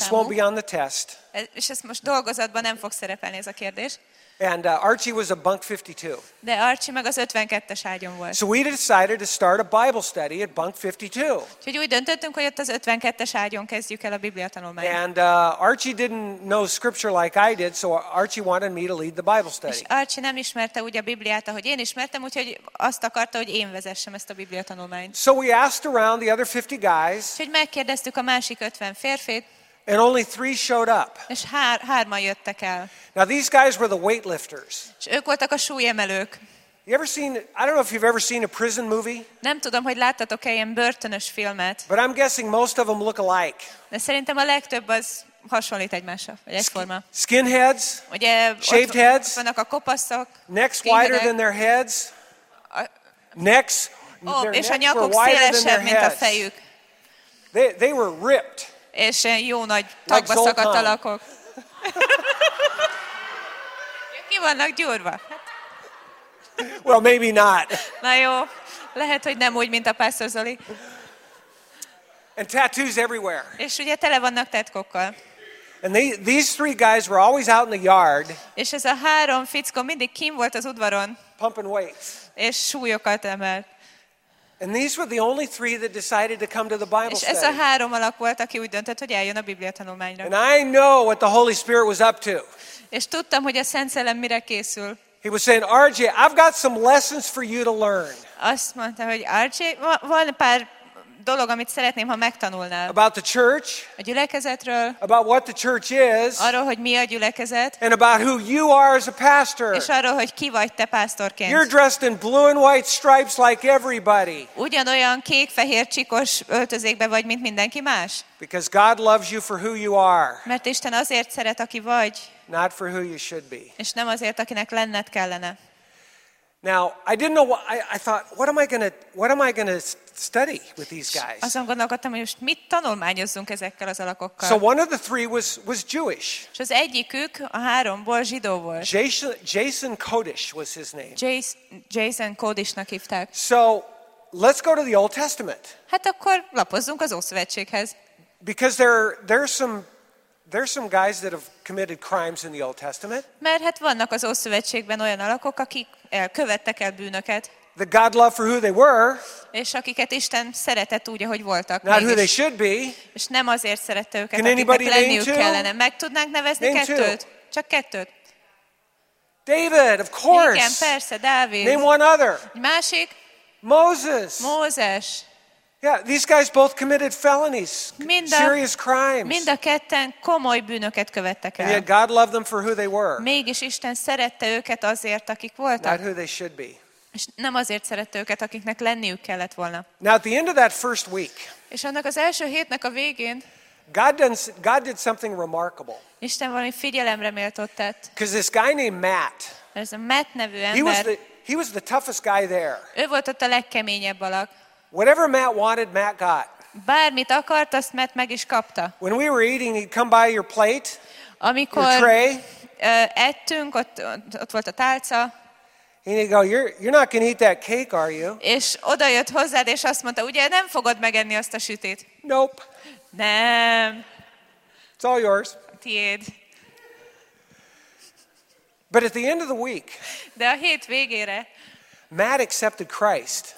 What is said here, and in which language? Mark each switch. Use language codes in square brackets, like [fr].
[en] This won't be on the test. [hu] És ez most dolgozatban nem fog szerepelni ez a kérdés. [en] And Archie was a bunk 52. [hu] De Archie meg az 52-es ágyon volt. [en] So we decided to start a Bible study at bunk 52. [hu] Úgyhogy úgy döntöttünk, hogy ott az 52-es ágyon kezdjük el a Biblia tanulmányt. [en] And Archie didn't know scripture like I did, so Archie wanted me to lead the Bible study. [hu] És Archie nem ismerte úgy a Bibliát, ahogy én ismertem, úgyhogy azt akarta, hogy én vezessem ezt a Biblia tanulmányt. [en] So we asked around the other 50 guys. [hu] Úgyhogy megkérdeztük a másik 50 férfit. [en] And only 3 showed up. [hu] És hárman jöttek el. [en] Now these guys were the weightlifters. [hu] És ők voltak a súlyemelők. [en] You ever seen, I don't know if you've ever seen a prison movie? [hu] Nem tudom, hogy láttatok-e ilyen börtönös filmet. [en] But I'm guessing most of them look alike. [hu] De szerintem a legtöbb az hasonlít egymásra, vagy egyforma. [en] Skinheads. [hu] Ugye, [en] shaved heads. [hu] Vannak a kopaszok. [en] Necks wider than their heads. Necks. [hu] Oh, és a nyakuk szélesebb, mint a fejük. [en] They were ripped. [hu] És jó nagy tagba like szakadt a lakok. Ki vannak gyúrva? [en] Well, maybe not. [hu] Na jó, lehet, hogy nem úgy, mint a Pásztor Zoli. [en] And tattoos everywhere. [hu] És ugye tele vannak tetkokkal. [en] And these three guys were always out in the yard. [hu] És ez a három fickó mindig kim volt az udvaron. [en] Pumping weights. [hu] És súlyokat emelt. [en] And these were the only three that decided to come to the Bible study. [hu] És ez a három alak volt, aki úgy döntött, hogy eljön a Biblia tanulmányra. [en] And I know what the Holy Spirit was up to. [hu] És tudtam, hogy a Szent Szellem mire készül. [en] He was saying, RJ, I've got some lessons for you to learn. [hu] Azt mondta, hogy RJ, van pár dolog, amit szeretném, ha megtanulnál. [en] About the church. [hu] A gyülekezetről. [en] About what the church is. [hu] Arról, hogy mi a gyülekezet. [en] And about who you are as a pastor. [hu] És arról, hogy ki vagy te pásztorként. [en] You're dressed in blue and white stripes like everybody. [hu] Ugyanolyan kék-fehér csíkos öltözékben vagy, mint mindenki más. [en] Because God loves you for who you are. [hu] Mert Isten azért szeret, aki vagy. [en] Not for who you should be. [hu] És nem azért, akinek lenned kellene. [en] Now, I didn't know what I thought, what am I going to study with these guys? [hu] Azon gondolkodtam, hogy most mit tanulmányozzunk ezekkel az alakokkal. [en] So one of the three was Jewish. [hu] És az egyikük a háromból zsidó volt. [en] Jason Kodish was his name. [hu] Jason Kodishnak hívták. [en] So let's go to the Old Testament. [hu] Hát akkor lapozzunk az Ószövetséghez. [en] Because there are some guys that have committed crimes in the Old Testament. [hu] Mert hát vannak az Ószövetségben olyan alakok, akik követtek el bűnöket. [en] The God loved for who they were. [hu] És akiket Isten szeretett úgy, ahogy voltak. [en] Not who they should be. [hu] És nem azért szerette őket, akiknek lenniük kellene. Meg tudnánk nevezni kettőt? Csak kettőt. [en] David, of course. [hu] Igen, persze, Dávid. [en] Name one other. [hu] Másik? [en] Moses. [hu] Mózes. [en] Yeah, these guys both committed felonies, serious crimes. [hu] Mind a ketten komoly bűnöket követtek el. [en] And yet God loved them for who they were. [hu] Mégis Isten szerette őket azért, akik voltak. [en] Not who they should be. [hu] És nem azért szerette őket, akiknek lenniük kellett volna. [en] Now at the end of that first week. [hu] És annak az első hétnek a végén. [en] God did something remarkable. [hu] Isten valami figyelemre méltót tett. [en] Because this guy named Matt. [hu] Ez a Matt nevű ember. [en] He was the toughest guy there. [hu] Ő volt ott a legkeményebb alak. [en] Whatever Matt wanted, Matt got. [hu] Bármit akart, azt Matt meg is kapta. [en] When we were eating, he'd come by your plate. [hu] Amikor [en] your tray. [hu] Ettünk, ott volt a tálca. [en] And he'd go, you're not going to eat that cake, are you? [hu] És odajött hozzád, és azt mondta, ugye nem fogod megenni azt a sütét? [en] Nope. [hu] Nem. [en] It's all yours. [hu] Tiéd. [en] But at the end of the week, [hu] de a hét végére, [en] Matt accepted Christ.